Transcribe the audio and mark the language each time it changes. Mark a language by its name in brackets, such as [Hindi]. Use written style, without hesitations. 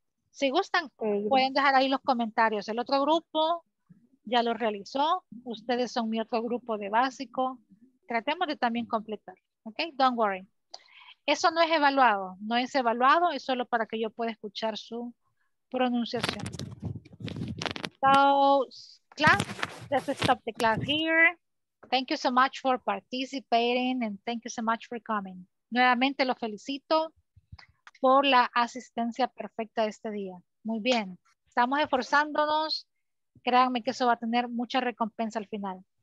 [Spanish] Si gustan, pueden dejar ahí los comentarios. El otro grupo ya lo realizó. Ustedes son mi otro grupo de básico. Tratemos de también completar. [English] Ok, don't worry. [Spanish] Eso no es evaluado. No es evaluado. Es solo para que yo pueda escuchar su pronunciación. [English] So, class, let's stop the class here. Thank you so much for participating and thank you so much for coming. [Spanish] Nuevamente lo felicito por la asistencia perfecta de este día. Muy bien. Estamos esforzándonos. Créanme que eso va a tener mucha recompensa al final.